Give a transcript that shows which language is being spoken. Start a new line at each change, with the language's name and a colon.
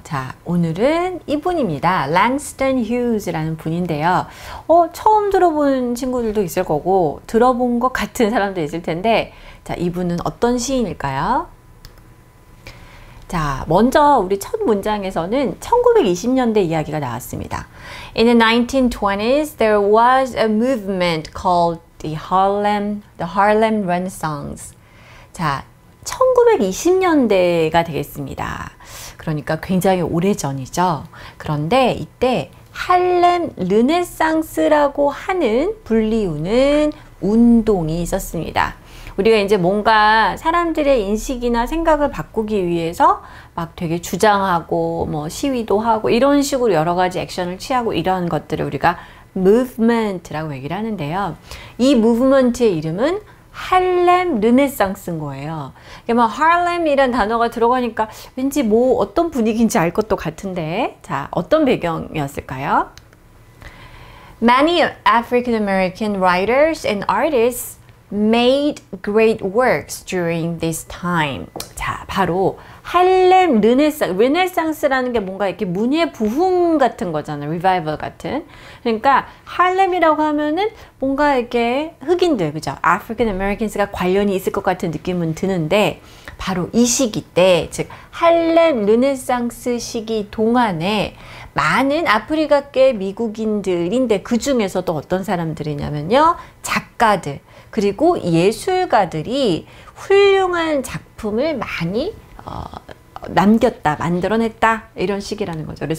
Korean: 자, 오늘은 이분입니다. Langston Hughes라는 분인데요. 처음 들어본 친구들도 있을 거고, 들어본 것 같은 사람도 있을 텐데, 자, 이분은 어떤 시인일까요? 자, 먼저 우리 첫 문장에서는 1920년대 이야기가 나왔습니다.
English: In the 1920s, there was a movement called The Harlem Renaissance.
Korean: 자, 1920년대가 되겠습니다. 그러니까 굉장히 오래전이죠. 그런데 이때 할렘 르네상스라고 하는 불리우는 운동이 있었습니다. 우리가 이제 뭔가 사람들의 인식이나 생각을 바꾸기 위해서 막 되게 주장하고 뭐 시위도 하고 이런 식으로 여러 가지 액션을 취하고 이런 것들을 우리가 movement라고 얘기를 하는데요. 이 movement의 이름은 할렘 르네상스인 거예요. 뭐 할렘이란 단어가 들어가니까 왠지 뭐 어떤 분위기인지 알 것도 같은데. 자, 어떤 배경이었을까요?
English: Many African American writers and artists made great works during this time.
Korean: 자, 바로 할렘 르네상스라는 게 뭔가 이렇게 문예 부흥 같은 거잖아요. 리바이벌 같은. 그러니까 할렘이라고 하면은 뭔가 이렇게 흑인들, 그죠? African Americans가 관련이 있을 것 같은 느낌은 드는데, 바로 이 시기 때, 즉 할렘 르네상스 시기 동안에 많은 아프리카계 미국인들인데 그 중에서도 어떤 사람들이냐면요, 작가들 그리고 예술가들이 훌륭한 작품을 많이 남겼다, 만들어냈다, 이런 시기라는 거죠.